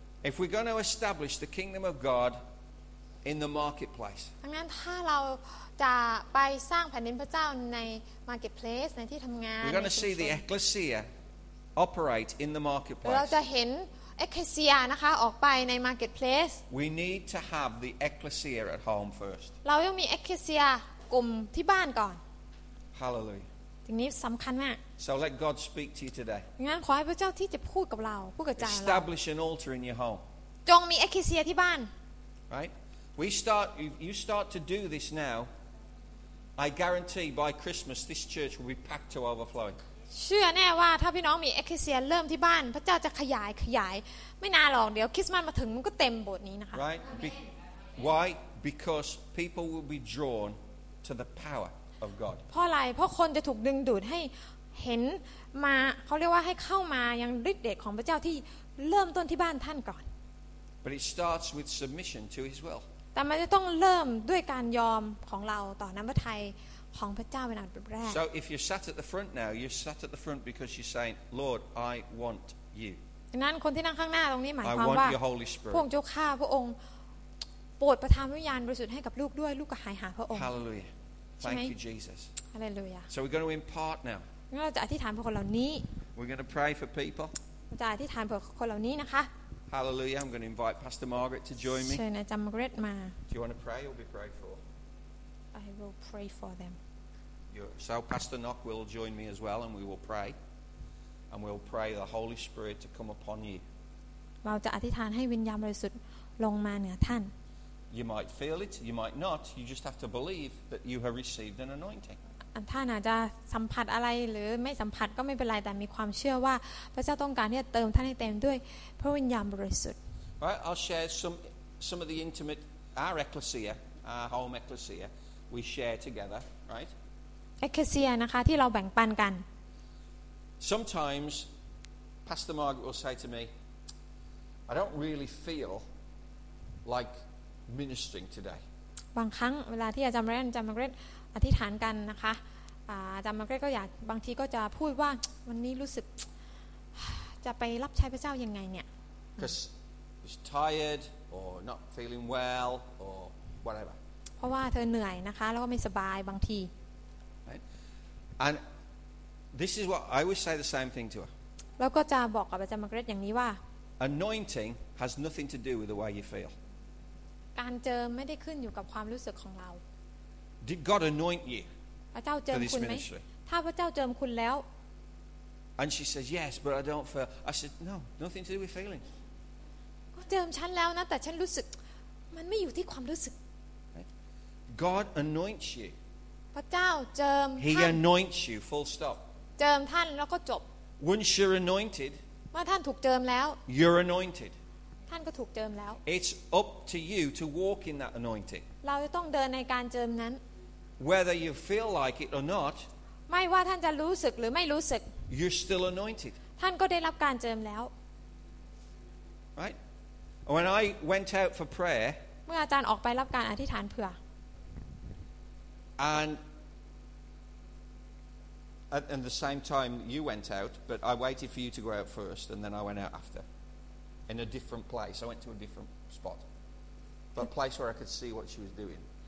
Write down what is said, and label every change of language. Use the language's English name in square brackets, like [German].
[English] If we're going to establish the kingdom of GodIn the marketplace. [Thai] ดังนั้นถ้าเราจะไปสร้างแผ่นดินพระเจ้าใน marketplace ในที่ทำงาน [English] We're going to see the ecclesia operate in the marketplace. [Thai] เราจะเห็นเอ็กเซียนะคะออกไปใน marketplace. [English] We need to have the ecclesia at home first. [Thai] เราต้องมีเอ็กเซียกลุ่มที่บ้านก่อน [English] Hallelujah. [Thai] ทีนี้สำคัญมาก [English] So let God speak to you today. [Thai] งั้นขอให้พระเจ้าที่จะพูดกับเราพูดกับใจเรา [English] Establish an altar in your home. [Thai] จงมีเอ็กเซียที่บ้าน [English] Right. We start. You start to do this now. I guarantee by Christmas, this church will be packed to overflowing. [Thai] เชื่อแน่ว่าถ้าพี่น้องมีเอ็กเซียเริ่มที่บ้านพระเจ้าจะขยายไม่นานหรอกเดี๋ยวคริสต์มาสมาถึงมันก็เต็มโบสถ์นี้นะคะ [English] Right? Why? Because people will be drawn to the power of God. [Thai] เพราะอะไรเพราะคนจะถูกดึงดูดให้เห็นมาเขาเรียกว่าให้เข้ามายังฤทธิ์เดชของพระเจ้าที่เริ่มต้นที่บ้านท่านก่อน [English] But it starts with submission to His will. [Thai] แต่มันจะต้องเริ่มด้วยการยอมของเราต่อน้ำพระทัยของพระเจ้าเป็นอันแรก [English] So if you're sat at the front now you're sat at the front because you're saying Lord I want you [Thai] ดังนั้นคนที่นั่งข้างหน้าตรงนี้หมายความว่า [English] I want your Holy Spirit [Thai] พระองค์เจ้าข้าพระองค์โปรดประทานวิญญาณบริสุทธิ์ให้กับลูกด้วยลูกก็หายหาพระองค์ [English] Hallelujah Thank you Jesus Hallelujah So we're going to impart now [Thai] เราจะอธิษฐานเพื่อคนเหล่านี้ [English] We're going to pray for people [Thai] เราจะอธิษฐานเพื่อคนเหล่านี้นะคะ [English] Hallelujah. I'm going to invite Pastor Margaret to join me. [Thai] เชิญอาจารย์ Margaret มา [English] Do you want to pray or be prayed for? I will pray for them. So Pastor Nock will join me as well and we will pray. And we'll pray the Holy Spirit to come upon you. [Thai] เราจะอธิษฐานให้วิญญาณบริสุทธิ์ลงมาเหนือท่าน [English] You might feel it, you might not. You just have to believe that you have received an anointing. [Thai] ท่านอาจจะสัมผัสอะไรหรือไม่สัมผัสก็ไม่เป็นไรแต่มีความเชื่อว่าพระเจ้าต้องการที่จะเติมท่านให้เต็มด้วยพระวิญญาณบริสุทธิ์ [English] Right I'll share some of the intimate our ecclesia our home ecclesia we share together right [Thai] Ecclesia นะคะที่เราแบ่งปันกัน [English] Sometimes Pastor Margaret will say to me I don't really feel like ministering today [Thai] บางครั้งเวลาที่อาจารย์แมรี่อาจารย์มาร์เกรตอธิษฐานกันนะคะอาจารย์มาร์เกรตก็อยากบางทีก็จะพูดว่าวันนี้รู้สึกจะไปรับใช้พระเจ้ายังไงเนี่ย [English] Because she's tired or not feeling well or whatever [Thai] เพราะว่าเธอเหนื่อยนะคะแล้วก็ไม่สบายบางที [English] Right And this is what I always say the same thing to her [Thai] แล้วก็จะบอกกับอาจารย์มาร์เกรตอย่างนี้ว่า [English] Anointing has nothing to do with the way you feel [Thai] การเจอไม่ได้ขึ้นอยู่กับความรู้สึกของเรา [English] Did God anoint you? [Thai] พระเจ้าเจิมคุณไหมถ้าพระเจ้าเจิมคุณแล้ว [English] And she says yes but I don't feel I said no nothing to do with feelings [Thai] ก็เจิมฉันแล้วนะแต่ฉันรู้สึกมันไม่อยู่ที่ความรู้สึก [English] God anoints you [Thai] พระเจ้าเจิมท่าน [English] He anoints you full stop [Thai] เจิมท่านแล้วก็จบ [English] Once you're anointed [Thai] เมื่อท่านถูกเจิมแล้ว [English] You're anointed [Thai] ท่านก็ถูกเจิมแล้ว [English] It's up to you to walk in that anointing [Thai] เราจะต้องเดินในการเจิมนั้น [English] Whether you feel like it or not [Thai] ไม่ว่าท่านจะรู้สึกหรือไม่รู้สึก [English] You're still anointed [Thai] ท่านก็ได้รับการเจิมแล้ว [English] Right When I went out for prayer [Thai] เมื่ออาจารย์ออกไปรับการอธิษฐานเผื่อ [English] And the same time you went out but I waited for you to go out first and then I went out afterin a different place I went to a different spot but a place where I could see what she was doing